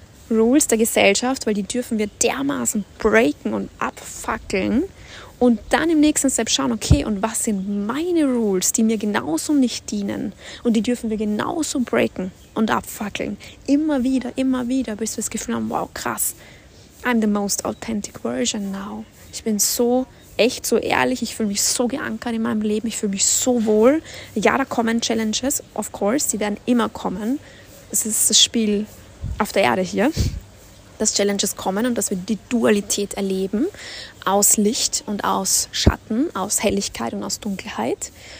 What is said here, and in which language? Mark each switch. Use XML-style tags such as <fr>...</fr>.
<de>Rules der Gesellschaft, weil die dürfen wir dermaßen breaken und abfackeln, Und dann im nächsten Step schauen, okay, und was sind meine Rules, die mir genauso nicht dienen? Und die dürfen wir genauso breaken und abfackeln. Immer wieder, bis wir das Gefühl haben, wow, krass.</de> <en>I'm the most authentic version now.</en> <de>Ich bin so echt, so ehrlich. Ich fühle mich so geankert in meinem Leben. Ich fühle mich so wohl. Ja, da kommen Challenges,</de> <en>of course.</en> <de>Die werden immer kommen. Es ist das Spiel auf der Erde hier, dass Challenges kommen und dass wir die Dualität erleben aus Licht und aus Schatten, aus Helligkeit und aus Dunkelheit.</de>